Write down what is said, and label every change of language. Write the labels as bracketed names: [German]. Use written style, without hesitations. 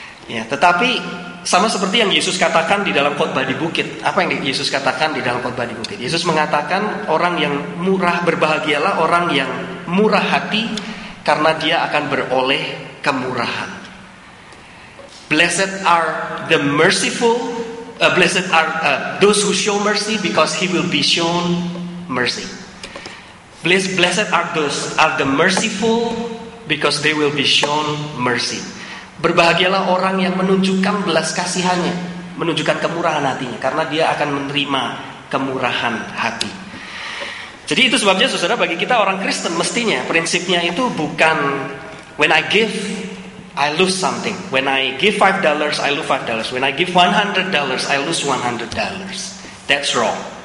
[Indonesian] Ya, tetapi sama seperti yang Yesus katakan di dalam khotbah di bukit. Apa yang Yesus katakan di dalam khotbah di bukit? Yesus mengatakan orang yang murah, berbahagialah orang yang murah hati karena dia akan beroleh kemurahan. [English] Blessed are the merciful, blessed are those who show mercy because he will be shown mercy. Blessed are those are the merciful because they will be shown mercy. [Indonesian] Berbahagialah orang yang menunjukkan belas kasihannya, menunjukkan kemurahan hatinya, karena dia akan menerima kemurahan hati. Jadi itu sebabnya saudara, bagi kita orang Kristen mestinya prinsipnya itu bukan [English] when I give I lose something, when I give $5 I lose $5, when I give $100 I lose $100. That's wrong.